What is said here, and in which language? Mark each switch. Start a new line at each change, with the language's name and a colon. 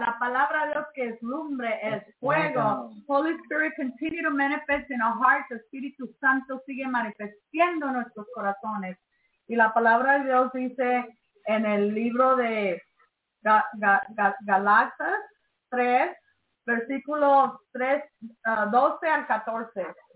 Spanish: La palabra de Dios que es lumbre, es fuego.
English: Holy Spirit, continue to manifest in our hearts.
Spanish: Espíritu Santo sigue manifestando nuestros corazones. Y la palabra de Dios dice en el libro de Galatas 3, versículo 3, 12 al 14.